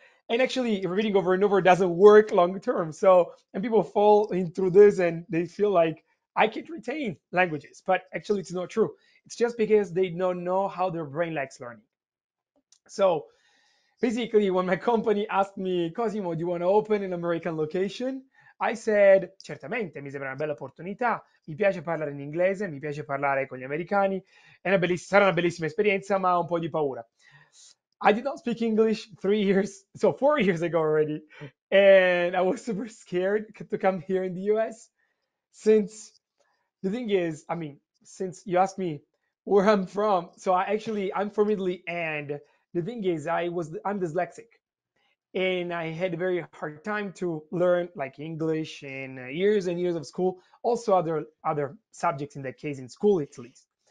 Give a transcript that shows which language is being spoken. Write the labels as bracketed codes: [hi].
[en] And actually, repeating over and over doesn't work long term. So, and people fall into this and they feel like, I can't retain languages, but actually it's not true. It's just because they don't know how their brain likes learning. So basically, when my company asked me, Cosimo, do you want to open an American location? I said, [it] certamente, mi sembra una bella opportunità. Mi piace parlare in inglese, mi piace parlare con gli americani. Sarà una bellissima esperienza, ma un po' di paura. [en] I did not speak English 3 years, so 4 years ago already. And I was super scared to come here in the US since... The thing is, I mean, since you asked me where I'm from, so I'm from Italy, and the thing is, I'm dyslexic, and I had a very hard time to learn like English and years of school, also other subjects in that case in school at least.